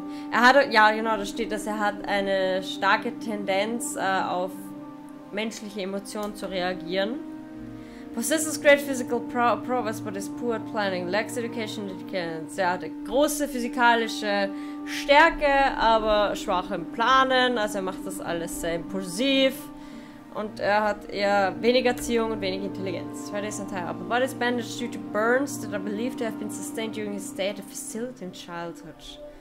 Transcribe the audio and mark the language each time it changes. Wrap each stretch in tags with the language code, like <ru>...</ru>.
<de>Er hat, ja genau, da steht, dass er hat eine starke Tendenz auf menschliche Emotionen zu reagieren.</de> <en>Possesses great physical prowess, but is poor at planning. Lacks education and experience.</en> <de>Er hatte große physikalische Stärke, aber schwach im Planen. Also er macht das alles sehr impulsiv. Und er hat eher weniger Erziehung und wenig Intelligenz.</de> <en>Freddy's entire upper body is bandaged due to burns that are believed to have been sustained during his stay at a facility in childhood.</en>